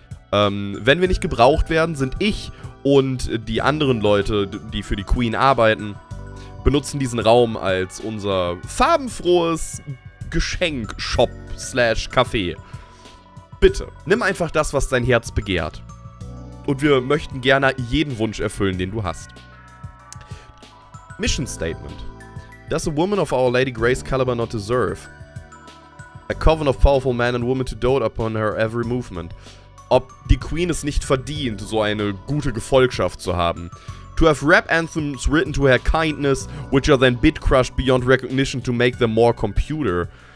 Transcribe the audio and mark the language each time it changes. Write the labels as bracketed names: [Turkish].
[German] Wenn wir nicht gebraucht werden, sind ich und die anderen Leute, die für die Queen arbeiten, benutzen diesen Raum als unser farbenfrohes Geschenk-Shop/Café. Bitte, nimm einfach das, was dein Herz begehrt. Und wir möchten gerne jeden Wunsch erfüllen, den du hast. [English] Mission Statement. Does a woman of our Lady Grace caliber not deserve a coven of powerful men and women to dote upon her every movement? [German] Ob die Queen es nicht verdient, so eine gute Gefolgschaft zu haben. [English] To have rap anthems written to her kindness, which are then bit crushed beyond recognition to make them more computer.